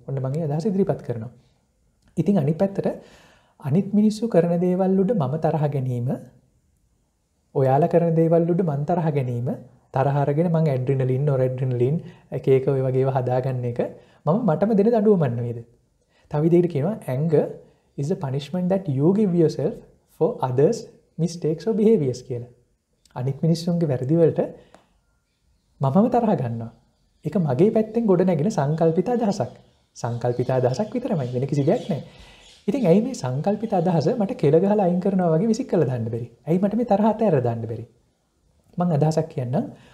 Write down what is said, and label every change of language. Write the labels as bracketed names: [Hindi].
[Sinhala] ඔන්න මම ඒ අදහස ඉදිරිපත් කරනවා. ඉතින් අනිත් පැත්තට අනිත් මිනිස්සු කරන දේවල් උඩ මම තරහ ගැනීම, ඔයාලා කරන දේවල් උඩ මං තරහ ගැනීම, තරහ අරගෙන මං ඇඩ්‍රිනලින් නොරඩ්‍රිනලින් එක එක ඔය වගේව හදාගන්න එක මම මටම දෙන දඬුවමක් නෙවෙයිද? තව විදිහකට කියනවා [English] anger is a punishment that you give yourself for others mistakes or behaviors [Sinhala] කියලා. අනිත් මිනිස්සුන්ගේ වැරදි වලට මමම තරහ ගන්නවා. ඒක මගේ පැත්තෙන් ගොඩ නැගෙන සංකල්පිත අදහසක්. සංකල්පිත අදහසක් විතරමයි, වෙන කිසි දෙයක් නැහැ. ඉතින් ඇයි මේ සංකල්පිත අදහස මට කෙල ගහලා අයින් කරනවා වගේ විසිකලා දාන්න බැරි? ඇයි මට මේ තරහ අතහැර දාන්න බැරි? මම අදහසක් කියන්නම්.